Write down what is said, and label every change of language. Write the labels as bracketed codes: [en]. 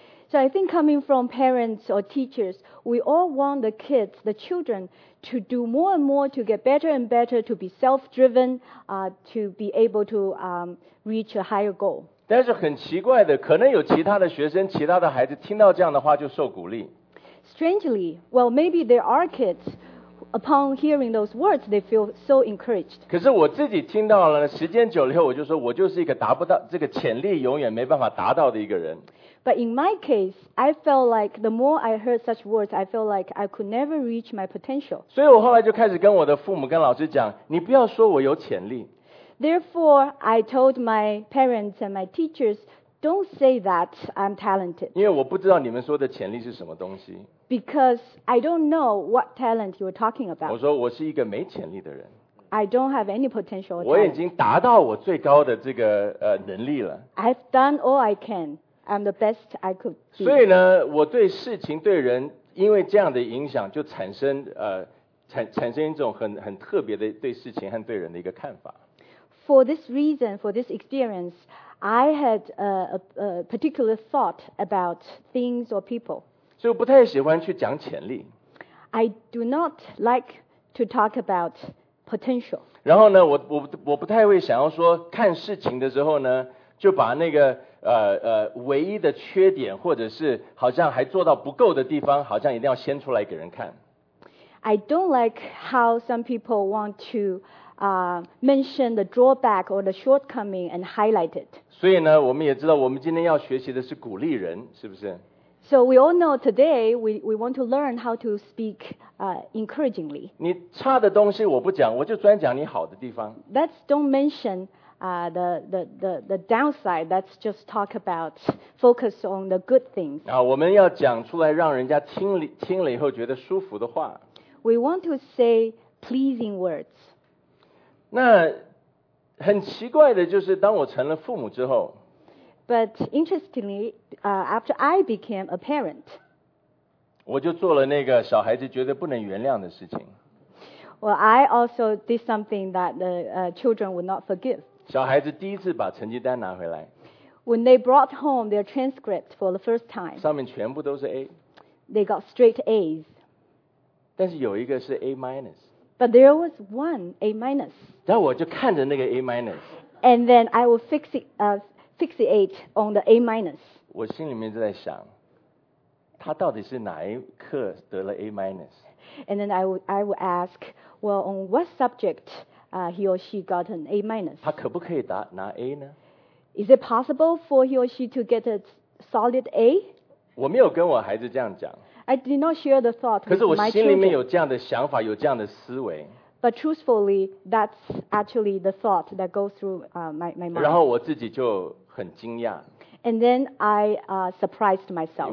[en] So I think coming from parents or teachers, we all want the kids, the children to do more and more, to get better and better, to be self-driven, to be able to reach a higher goal. [zh] 但是很奇怪的，可能有其他的学生、其他的孩子听到这样的话就受鼓励。 [en] Strangely, well, maybe there are kids upon hearing those words, they feel so encouraged. [zh] 可是我自己听到了，时间久了以后，我就说我就是一个达不到这个潜力永远没办法达到的一个人。 [en] But in my case, I felt like the more I heard such words, I felt like I could never reach my potential. [zh] 所以我后来就开始跟我的父母、跟老师讲，你不要说我有潜力。 [en] Therefore, I told my parents and my teachers, don't say that I'm talented. [zh] 因为我不知道你们说的潜力是什么东西。 [en] Because I don't know what talent you're talking about. [zh] 我说我是一个没潜力的人。 [en] I don't have any potential talent. [zh] 我已经达到我最高的这个能力了。 [en] I've done all I can. I'm the best I could be. [zh] 所以呢，我对事情、对人，因为这样的影响，就产生一种很特别的对事情和对人的一个看法。 [en] For this reason, for this experience, I had a particular thought about things or people. [zh] 所以我不太喜欢去讲潜力。 [en] I do not like to talk about potential. [zh] 然后呢，我不太会想要说看事情的时候呢，就把那个唯一的缺点，或者是好像还做到不够的地方，好像一定要掀出来给人看。 [en] I don't like how some people want to. Mention the drawback or the shortcoming and highlight it. [zh] 所以呢，我们也知道，我们今天要学习的是鼓励人，是不是？ [en] So we all know today we want to learn how to speak encouragingly. [zh] 你差的东西我不讲，我就专讲你好的地方。 [en] Let's don't mention the downside. Let's just talk about focus on the good things. [zh] 啊，我们要讲出来让人家听了以后觉得舒服的话。 [en] We want to say pleasing words. [zh] 那很奇怪的就是当我成了父母之后。 [en] But interestingly, after I became a parent, [zh] 我就做了那个小孩子绝对不能原谅的事情。 [en] Well, I also did something that the children would not forgive. [zh] 小孩子第一次把成绩单拿回来。 [en] When they brought home their transcripts for the first time, [zh] 上面全部都是 A. [en] They got straight A's. [zh] 但是有一个是 A-. [en] But there was one A-. [zh] 然后我就看着那个 A-. [en] And then I will fix it up. 68 on the A minus. [zh] 我心里面就在想，他到底是哪一课得了 A minus? [en] And then I would ask, well, on what subject he or she got an A minus? [zh] 他可不可以拿 A 呢？ [en] Is it possible for he or she to get a solid A? [zh] 我没有跟我孩子这样讲。 [en] I did not share the thought with my children. [zh] 可是我心里面有这样的想法，有这样的思维。 [en] But truthfully, that's actually the thought that goes through my mind. [zh] 然后我自己就很惊讶。 [en] And then I surprised myself.